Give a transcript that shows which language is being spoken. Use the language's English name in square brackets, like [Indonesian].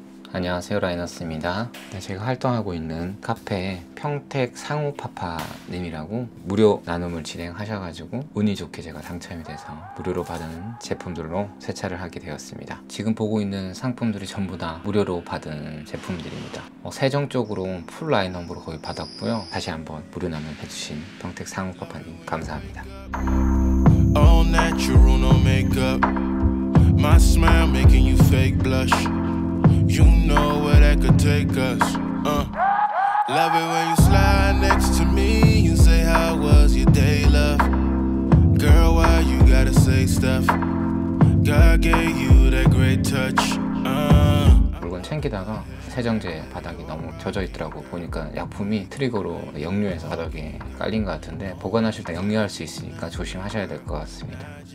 [Korean] 안녕하세요, 라이너스입니다. 네, 제가 활동하고 있는 카페 평택 상우파파님이라고 무료 나눔을 진행하셔가지고 운이 좋게 제가 당첨이 돼서 무료로 받은 제품들로 세차를 하게 되었습니다. 지금 보고 있는 상품들이 전부 다 무료로 받은 제품들입니다. 세정 쪽으로 풀 라인업으로 거의 받았고요. 다시 한번 무료 나눔 해주신 평택 상우파파님 감사합니다. [English] All natural, no makeup. My smile making you fake blush. You know where that could take us. Love it when you slide next to me and say how was your day, love. Girl, why you gotta say stuff? God gave you that great touch. [Korean] 물건 챙기다가 세정제 바닥이 너무 젖어 있더라고. 보니까 약품이 트리거로 역류해서 바닥에 깔린 것 같은데, 보관하실 때 역류할 수 있으니까 조심하셔야 될 것 같습니다.